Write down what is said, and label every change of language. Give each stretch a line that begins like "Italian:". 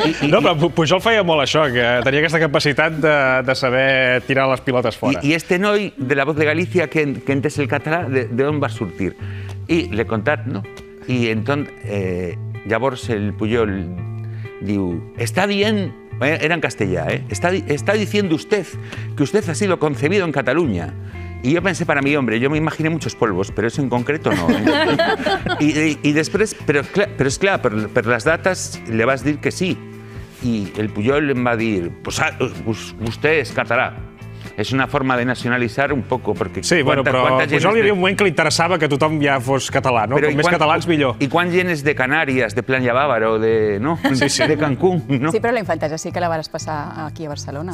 Catalan: No, però Puyol feia molt això, que tenia aquesta capacitat de saber tirar les pilotes fora. I este noi de la Voz de Galicia, que entes el català, d'on va sortir? I l'he contat, no? I llavors el Puyol diu, està dient... Era en castellà, eh?
Spanish: Está diciendo usted que usted ha sido concebido en Cataluña. Y yo pensé para mí, hombre, yo me imaginé muchos polvos, pero eso en concreto no. Y después, pero es claro, per las datas le vas a decir que sí. Y el Puyol le va a decir, pues usted es catalá.
Catalan: És una forma de nacionalitzar un poc, perquè... Sí, bueno, però Pujol hi havia un moment que li interessava que tothom ja fos català, no? Com més catalans, millor. I quan gent és de Canàries, de Plan Llavàvaro, de Cancún, no? Sí, però la infantesa sí que la vas passar aquí a Barcelona.